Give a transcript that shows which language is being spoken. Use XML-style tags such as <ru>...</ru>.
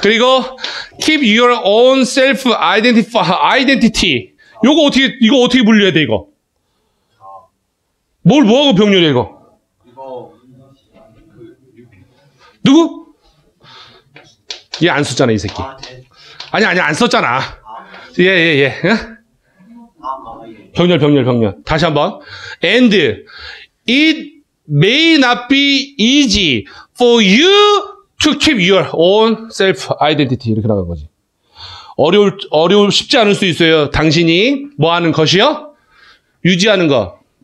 <ko>그리고,</ko> <en>keep your own self identity.</en> <ko>이거 어떻게 분류해야 돼, 이거? 뭘, 뭐하고 병렬해, 이거? 누구? 얘 안 썼잖아, 이 새끼. 아니, 안 썼잖아. 예. 병렬. 다시 한 번.</ko> <en>And, it may not be easy for you to keep your own self identity.</en> <ko>이렇게 나간 거지. 어려울, 쉽지 않을 수 있어요. 당신이 뭐 하는 것이요? 유지하는 거.</ko>